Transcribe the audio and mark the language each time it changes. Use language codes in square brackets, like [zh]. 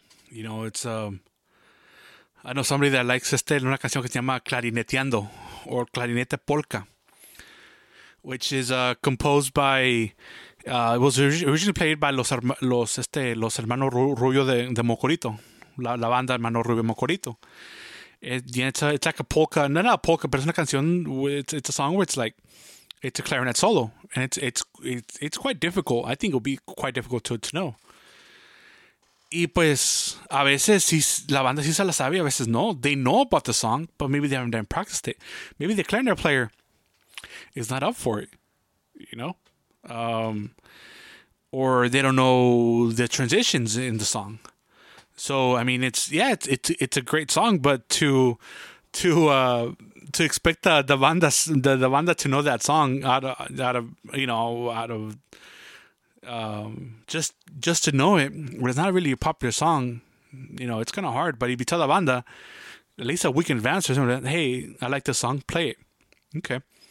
[en] You know, it's I know somebody that likes [es] este una canción que se llama [en] Clarineteando or Clarinete Polka, which is composed by it was originally played by los hermanos Rubio de Mocorito. [es] La banda Hermano Rubio Mocorito. [en] It's like a polka. No, not a polka, but it's a canción. It's a song where it's like, it's a clarinet solo. And it's quite difficult. I think it would be quite difficult to know. [es] Y pues, a veces, la banda sí se la sabe, a veces no. [en] They know about the song, but maybe they haven't practiced it. Maybe the clarinet player is not up for it, you know? Or they don't know the transitions in the song. So I mean, it's a great song, but to expect the banda to know that song out of to know it when it's not really a popular song, you know, it's kind of hard. But if you tell the banda at least a week in advance or something, hey, I like this song, play it, okay?